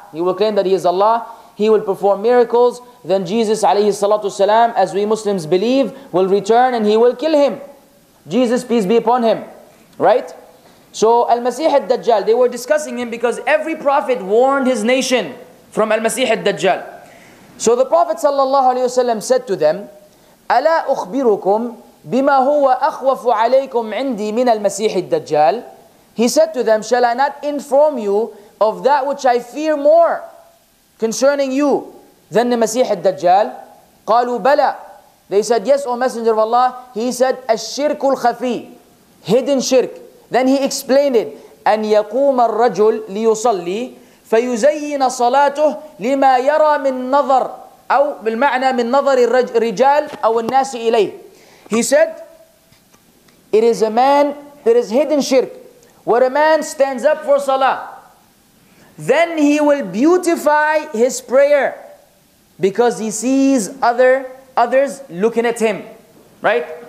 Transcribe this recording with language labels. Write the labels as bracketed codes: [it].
[en] He will claim that he is Allah. He will perform miracles. Then Jesus, alayhi salatu salam, as we Muslims believe, will return and he will kill him. Jesus, peace be upon him. Right? So, al-Masih al-Dajjal, they were discussing him because every prophet warned his nation from Al-Masih al-Dajjal. So the Prophet sallallahu alayhi wasallam said to them, [ar] أَلَا أُخْبِرُكُمْ بِمَا هُوَ أَخْوَفُ عَلَيْكُمْ عِنْدِي مِنَ الْمَسِيحِ الدَّجَّالِ. [en] He said to them, shall I not inform you of that which I fear more concerning you than the Masih al-Dajjal? [ar] قَالُوا بَلَى. [en] They said, yes, O Messenger of Allah. He said, [ar] الشِّرْكُ الْخَفِي, [en] hidden shirk. Then he explained it, [ar] أَنْ يَقُومَ الرَّجُلْ لِيُصَلِّي فَيُزَيِّنَ صَلَاتُهُ لِمَا يَرَى مِنْ نَظَرٍ أو بالمعنى من نظر الرجال أو الناس إليه. [en] He said, it is a man, there is hidden shirk, where a man stands up for salah, then he will beautify his prayer because he sees others looking at him, right?